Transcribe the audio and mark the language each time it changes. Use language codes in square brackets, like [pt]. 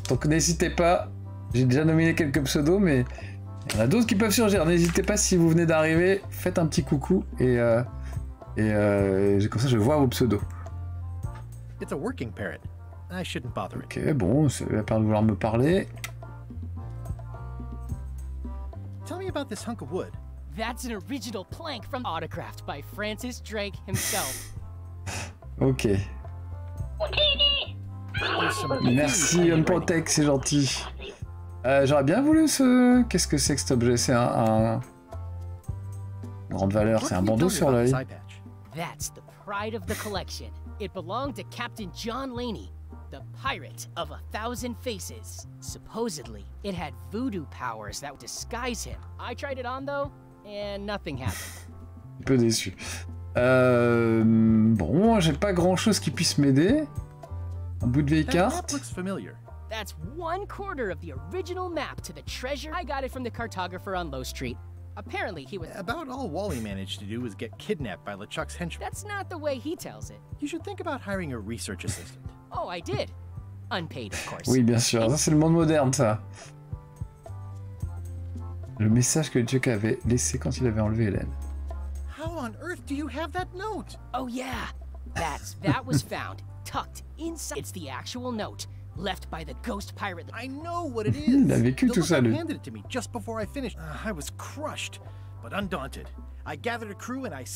[fr] Donc n'hésitez pas. J'ai déjà nominé quelques pseudos, mais il y en a d'autres qui peuvent surgir. N'hésitez pas, si vous venez d'arriver, faites un petit coucou et comme ça, je vois vos pseudos. [en] It's a working parrot. I shouldn't bother. [fr] Ok, bon, c'est à part de vouloir me parler. [en] Tell me about this hunk of wood. That's an original plank from Autocraft by Francis Drake himself. [fr] Ok. Merci, Unprotect, c'est gentil. J'aurais bien voulu ce... Qu'est-ce que c'est que cet objet? C'est un... Grande valeur, c'est un bandeau sur l'œil. [en] That's the pride of the collection. It belonged to Captain John Laney, the pirate of a thousand faces. Supposedly, it had voodoo powers that would disguise him. I tried it on, though. And nothing happened. [fr] Un peu déçu. Bon, j'ai pas grand chose qui puisse m'aider. Un bout de vieille carte. [en] That looks familiar. That's one quarter of the original map to the treasure. I got it from the cartographer on Low Street. Apparently, he was about all Wally managed to do was get kidnapped by LeChuck's henchmen. That's not the way he tells it. You should think about hiring a research assistant. Oh, I did. Unpaid, of course. [fr] Oui, bien sûr. Ça, c'est le monde moderne, ça. Le message que Jack avait laissé quand il avait enlevé Hélène. [en] How on earth do you have that note? Oh yeah, that was found tucked inside. It's the actual note left by the ghost pirate. I know what it is. [fr] Il a vécu tout ça, lui. [en] He handed it to me just before I finished. I was crushed, but undaunted. I gathered a crew and I.